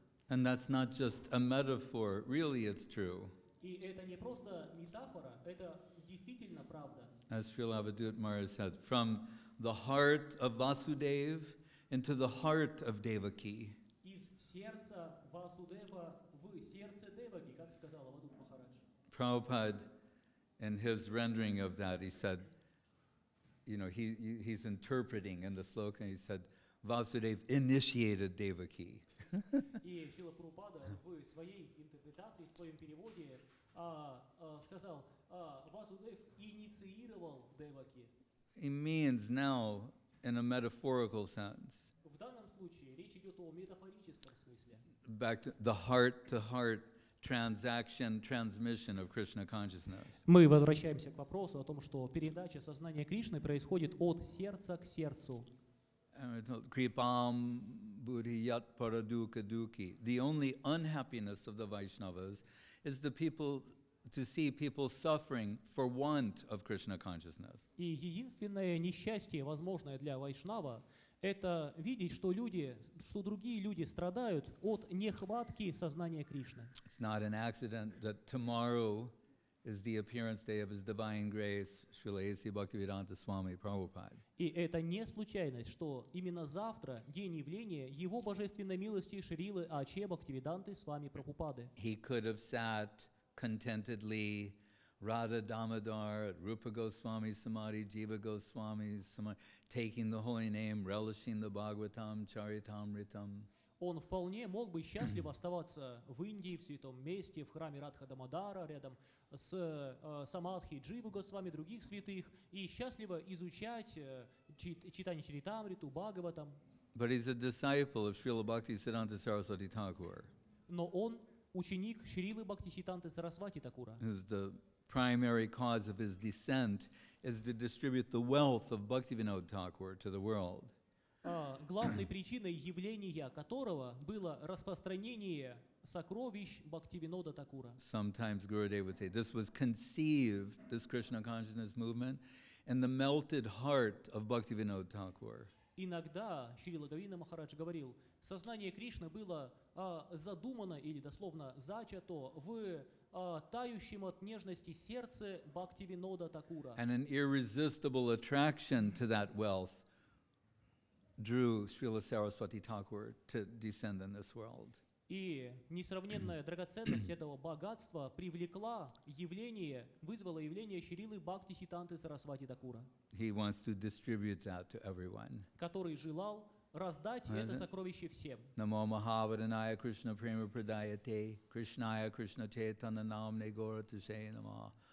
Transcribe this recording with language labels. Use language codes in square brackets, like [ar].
[en] And that's not just a metaphor, really it's true. [ru] И это не просто метафора, это действительно правда. [en] As Srila Avadhut Maharaj said, from the heart of Vasudev into the heart of Devaki. [ru] Из сердца Васудева в сердце Деваки, как сказал Авадут Махарадж. [en] Prabhupada, in his rendering of that, he said, you know, he's interpreting in the sloka, he said, Vasudev initiated Devaki. [ru] И Шрила Прабхупада в своей интерпретации, в своем переводе сказал, Васудев инициировал Деваки. [en] He means now in a metaphorical sense. [ru] В данном случае речь идет о метафорическом смысле. [en] Back to the heart to heart transaction, transmission of Krishna consciousness. [ru] Мы возвращаемся к вопросу о том, что передача сознания Кришны происходит от сердца к сердцу. [sa] Kripam Buddhiyat Paradukaduki. [en] The only unhappiness of the Vaishnavas is the people to see people suffering for want of Krishna consciousness. [ru] И единственное несчастье, возможное для Вайшнава, это видеть, что люди, что другие люди страдают от нехватки сознания Кришны. [en] It's not an accident that tomorrow is the appearance day of His Divine Grace, Srila A.C. Bhaktivedanta Swami Prabhupada. [ru] И это не случайность, что именно завтра день явления Его Божественной Милости Шрилы Аче Бхактивиданты Свами Прабхупады. [en] He could have sat contentedly Radha Damodar, Rupa Goswami Samadhi, Jiva Goswami Samadhi, taking the holy name, relishing the Bhagavatam, Charitamritam. [ru] Он вполне мог бы счастливо оставаться в Индии, в святом месте, в храме Радха Дамодара, рядом с Самадхи Дживу Госвами, других святых, и счастливо изучать читание Чаритамриту, Бхагаватам. [en] But he's a disciple of Srila Bhakti Siddhanta Saraswati Thakur. [ru] Но он ученик Шрилы Бхакти Читанты Сарасвати Такура. [en] He's the primary cause of his descent is to distribute the wealth of Bhaktivinoda Thakur to the world. [ru] Главной причиной явления которого было распространение сокровищ Бхактивинода Такура. [en] Sometimes Gurudev would say, this was conceived, this Krishna consciousness movement, in the melted heart of Bhaktivinoda Thakur. [ru] Иногда Шрила Гавинда Махарадж говорил, сознание Кришны было задумано или дословно зачато в тающем от нежности сердце Бхактивинода Такура. [en] And an irresistible attraction to that wealth drew Srila Saraswati Thakur to descend in this world. [ru] И несравненная драгоценность этого богатства привлекла явление, вызвало явление Шрилы Бхакти Сиддханты Сарасвати Такура. [en] He wants to distribute that to everyone. [ru] Который желал раздать это сокровище всем. [sa] Намо Махаваданая Кришна Према Прадаяте, Кришная Кришна Чайтанья Намне Гора Тусей Нама.